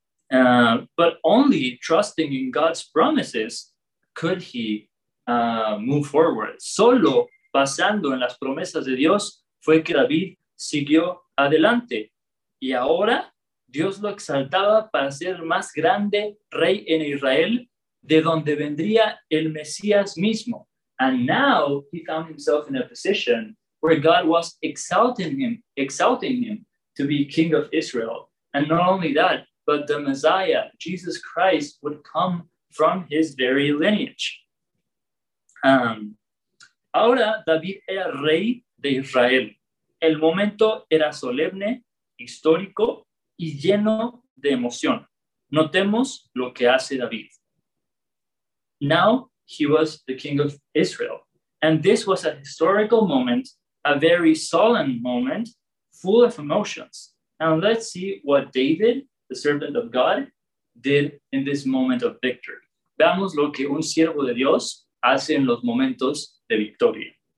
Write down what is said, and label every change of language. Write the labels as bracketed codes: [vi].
[en] But only trusting in God's promises could he move forward. [es] Solo basando en las promesas de Dios fue que David siguió adelante. Y ahora Dios lo exaltaba para ser más grande rey en Israel, de donde vendría el Mesías mismo. [en] And now he found himself in a position where God was exalting him to be king of Israel. And not only that, but the Messiah, Jesus Christ, would come from his very lineage. [es] Ahora David era rey de Israel. El momento era solemne, histórico y lleno de emoción. Notemos lo que hace David. [en] Now he was the king of Israel. And this was a historical moment, a very solemn moment, full of emotions. And let's see what David, the servant of God, did in this moment of victory. [es] Veamos lo que un siervo de Dios hace en los momentos de victoria.